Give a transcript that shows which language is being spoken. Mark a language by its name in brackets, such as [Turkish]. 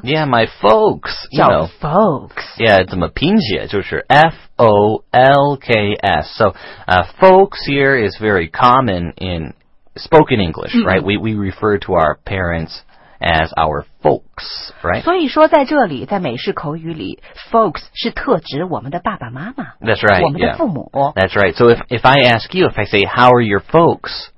[English] Yeah, my folks [Chinese] 叫 [English] you know, folks Yeah, [Chinese] 怎么拼写就是 [English] F-O-L-K-S So、folks here is very common in spoken English、right? We refer to our parents as our folks right? [Chinese] 所以说在这里在美式口语里 Folks 是特指我们的爸爸妈妈 [English] That's right [Chinese] 我们的父母、 [English] yeah. That's right So if I ask you If I say how are your folks?